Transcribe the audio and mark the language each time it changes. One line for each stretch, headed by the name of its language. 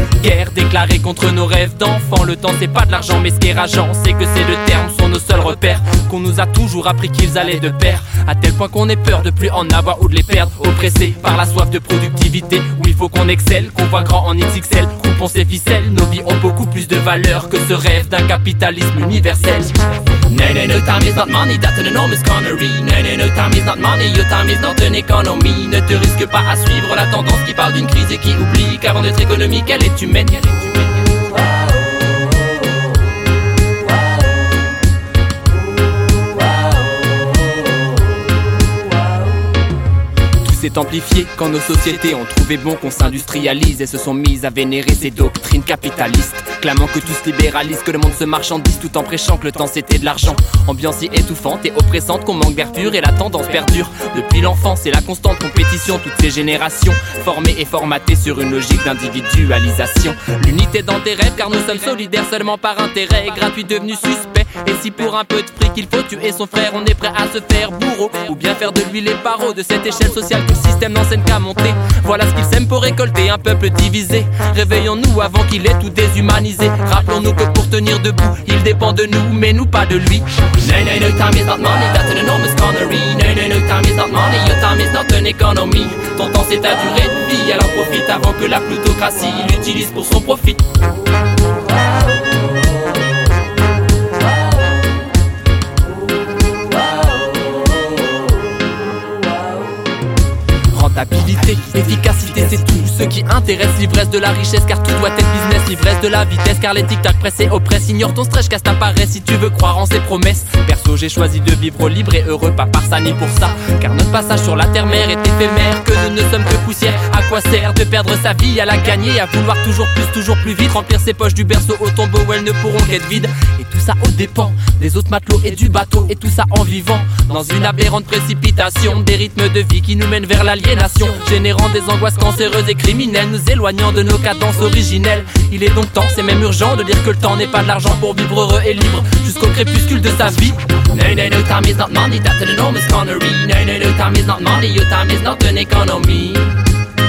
French: Guerre déclarée contre nos rêves d'enfants. Le temps c'est pas de l'argent, mais ce qui est rageant, c'est que ces deux termes sont nos seuls repères. Qu'on nous a toujours appris qu'ils allaient de pair, à tel point qu'on ait peur de plus en avoir ou de les perdre, oppressés par la soif de productivité, où il faut qu'on excelle, qu'on voit grand en XXL, coupons ses ficelles, nos vies ont beaucoup plus de valeur que ce rêve d'un capitalisme universel.
English: No time is not money, that's an enormous connery. No time is not money, your time is not an economy.
French: Ne te risque pas à suivre la tendance qui parle d'une crise et qui oublie qu'avant d'être économique, elle est humaine. C'est amplifié quand nos sociétés ont trouvé bon qu'on s'industrialise et se sont mises à vénérer ces doctrines capitalistes, clamant que tout se libéralise, que le monde se marchandise, tout en prêchant que le temps c'était de l'argent. Ambiance étouffante et oppressante, qu'on manque d'air et la tendance perdure. Depuis l'enfance et la constante compétition, toutes ces générations formées et formatées sur une logique d'individualisation. L'unité dans tes rêves, car nous sommes solidaires seulement par intérêt, gratuit devenu suspect. Et si pour un peu de fric il faut tuer son frère, on est prêt à se faire bourreau, ou bien faire de lui les barreaux de cette échelle sociale. Tout système n'enseigne qu'à monter. Voilà ce qu'il sème pour récolter un peuple divisé. Réveillons-nous avant qu'il ait tout déshumanisé. Rappelons-nous que pour tenir debout, il dépend de nous, mais nous pas de lui.
English: No time is not money, that's an enormous connery. No time is not money, your time is not an economy.
French: Ton temps c'est ta durée de vie, alors profite avant que la plutocratie l'utilise pour son profit. Habilité, efficacité, c'est tout ce qui intéresse. L'ivresse de la richesse, car tout doit être business. L'ivresse de la vitesse, car les tic-tac pressés oppressent. Ignore ton stress, casse ta paresse si tu veux croire en ses promesses. Perso, j'ai choisi de vivre libre et heureux, pas par ça ni pour ça. Car notre passage sur la terre-mer est éphémère, que nous ne sommes que poussière. À quoi sert de perdre sa vie, à la gagner, à vouloir toujours plus vite. Remplir ses poches du berceau au tombeau où elles ne pourront qu'être vides. Et tout ça au dépens des autres matelots et du bateau, et tout ça en vivant dans une aberrante précipitation. Des rythmes de vie qui nous mènent vers l'aliénation. Générant des angoisses cancéreuses et criminelles, nous éloignant de nos cadences originelles. Il est donc temps, c'est même urgent, de dire que le temps n'est pas de l'argent pour vivre heureux et libre jusqu'au crépuscule de sa vie.
English: No time is not money, that's an enormous connery. No time is not money, your time is not an economy.